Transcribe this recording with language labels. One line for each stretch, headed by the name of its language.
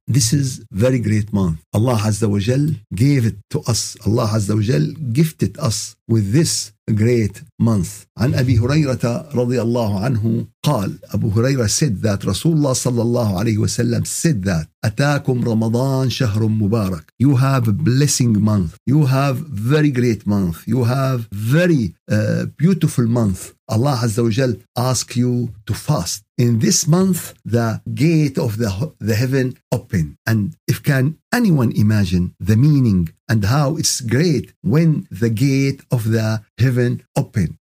English: This is very great month. Allah Azza wa Jal gave it to us. Allah Azza wa Jal gifted us with this great month.
Arabic: عن أبي هريرة رضي الله عنه قال أبو هريرة
English: said that
Arabic: رسول الله صلى الله عليه وسلم said that أتاكم رمضان شهر مبارك.
English: You have a blessing month. You have very great month. You have very beautiful month. Allah Azza wa Jal ask you to fast. In this month, the gate of the heaven open. And if can anyone imagine the meaning and how it's great when the gate of the heaven open.